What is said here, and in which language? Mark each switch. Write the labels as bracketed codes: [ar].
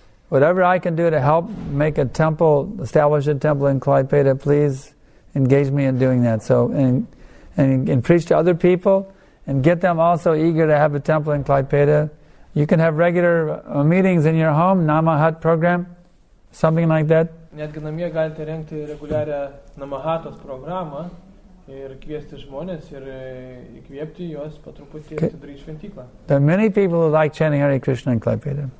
[en] Whatever I can do to help make a temple, establish a temple in Klaipeda, please engage me in doing that. So and preach to other people and get them also eager to have a temple in Klaipeda. You can have regular meetings in your home, Namahat program, something like that. [lt] Netgi namie galite rengti reguliarią Namahatos programą ir kviesti žmonės ir įkvėpti juos patruputį atidaryti šventyklą. [en] There are many people who like chanting Hare Krishna in Klaipeda.